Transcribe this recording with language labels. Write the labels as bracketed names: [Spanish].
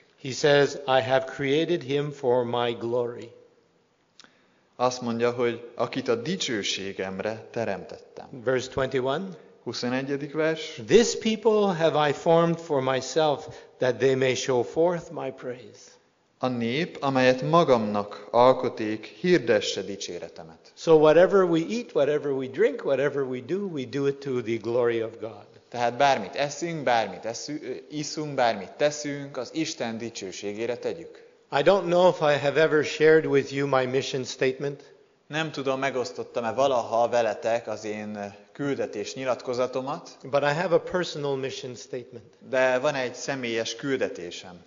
[English] He says, I have created him for my glory. [Hungarian] Azt mondja, hogy akit a dicsőségemre teremtettem. [English] Verse 21. [Hungarian] 21. vers. [English] This people have I formed for myself, that they may show forth my praise. [Hungarian] A nép, amelyet magamnak alkoték, hirdesse dicséretemet. [English] So whatever we eat, whatever we drink, whatever we do it to the glory of God. [Hungarian] Tehát bármit eszünk, bármit iszunk, bármit teszünk, az Isten dicsőségére tegyük. [English] I don't know if I have ever shared with you my mission statement. [Hungarian] Nem tudom, megosztottam-e valaha veletek az én küldetés nyilatkozatomat. [English] But I have a personal mission statement. [Hungarian] De van egy személyes küldetésem.